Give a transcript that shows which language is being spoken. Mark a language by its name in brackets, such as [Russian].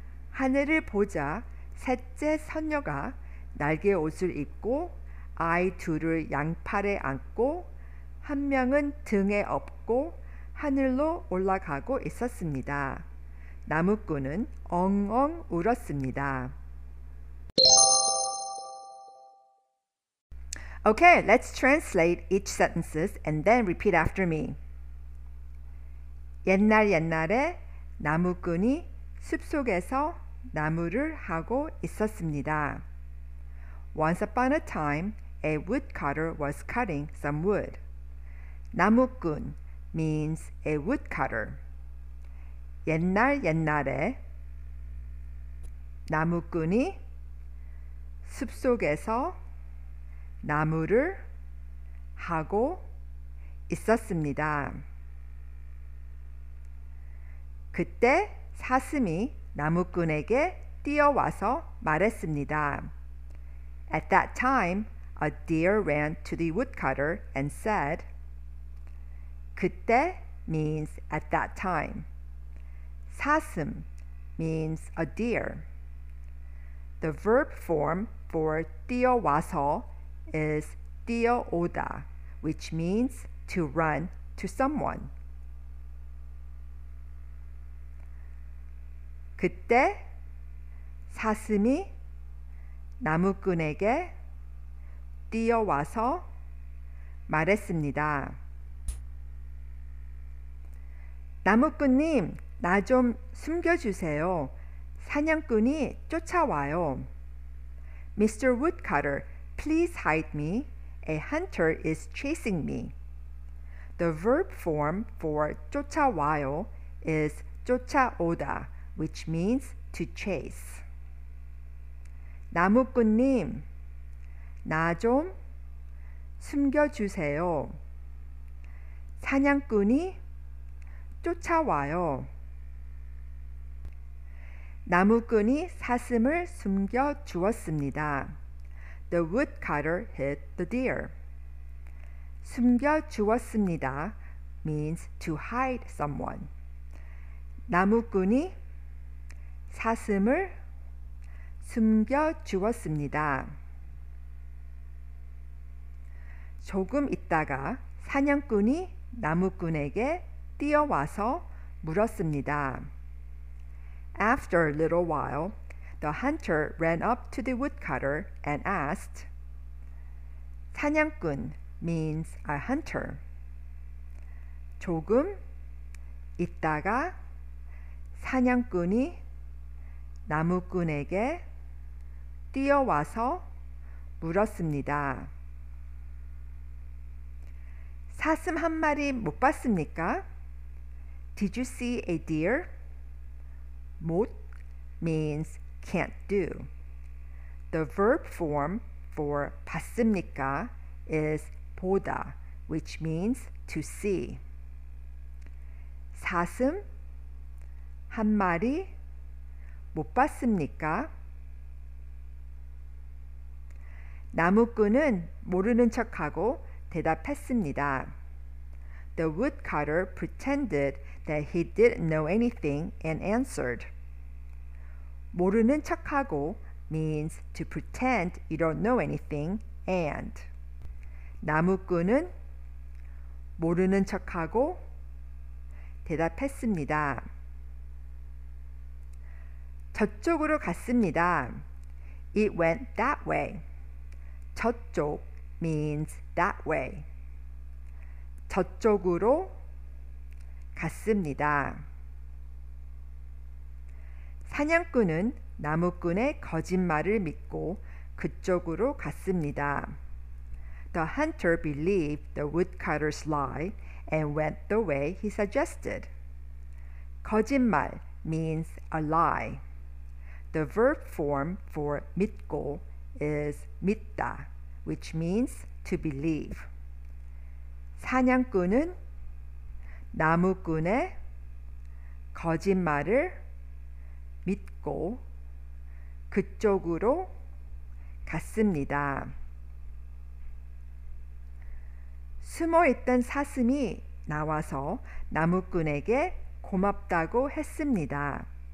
[Korean] 하늘을 보자 셋째 선녀가 날개 옷을 입고 아이 둘을 양팔에 안고 한 명은 등에 업고 하늘로 올라가고 있었습니다. 나무꾼은 엉엉 울었습니다. [English] Okay, let's translate each sentences and then repeat after me. [Korean] 옛날 옛날에 나무꾼이 숲속에서 나무를 하고 있었습니다. [English] Once upon a time, a woodcutter was cutting some wood. 나무꾼 means a woodcutter. [Korean] 옛날 옛날에 나무꾼이 숲속에서 나무를 하고 있었습니다. 그때 사슴이 나무꾼에게 뛰어와서 말했습니다. [English] At that time, a deer ran to the woodcutter and said, 그때 means at that time. 사슴 means a deer. The verb form for 뛰어와서 is 뛰어오다, which means to run to someone. [Korean] 그때 사슴이 나무꾼에게 뛰어와서 말했습니다. 나무꾼님, 나 좀 숨겨주세요. 사냥꾼이 쫓아와요. [English] Mr. Woodcutter, please hide me. A hunter is chasing me. The verb form for 쫓아와요 is 쫓아오다, which means to chase. [Korean] 나무꾼님, 나 좀 숨겨주세요. 사냥꾼이 쫓아와요. 나무꾼이 사슴을 숨겨 주었습니다. [English] The woodcutter hid the deer. 숨겨 주었습니다 means to hide someone. [Korean] 나무꾼이 사슴을 숨겨 주었습니다. 조금 있다가 사냥꾼이 나무꾼에게 뛰어와서 물었습니다. [English] After a little while, the hunter ran up to the woodcutter and asked, 사냥꾼 means a hunter. [Korean] 조금 있다가 사냥꾼이 나무꾼에게 뛰어와서 물었습니다. 사슴 한 마리 못 봤습니까? [English] Did you see a deer? 못 means can't do. The verb form for 봤습니까 is 보다, which means to see. [Korean] 사슴 한 마리 못 봤습니까? 나무꾼은 모르는 척하고 대답했습니다. [English] The woodcutter pretended that he didn't know anything and answered. 모르는 척하고 means to pretend you don't know anything and. [Korean] 나무꾼은 모르는 척하고 대답했습니다. 저쪽으로 갔습니다. [English] It went that way. 저쪽 means that way. [Korean] 저쪽으로 갔습니다. 사냥꾼은 나무꾼의 거짓말을 믿고 그쪽으로 갔습니다. [English] The hunter believed the woodcutter's lie and went the way he suggested. 거짓말 means a lie. The verb form for 믿고 is 믿다, which means to believe. [Korean] 사냥꾼은 나무꾼의 거짓말을 믿고 그쪽으로 갔습니다. 숨어있던 사슴이 나와서 나무꾼에게 고맙다고 했습니다.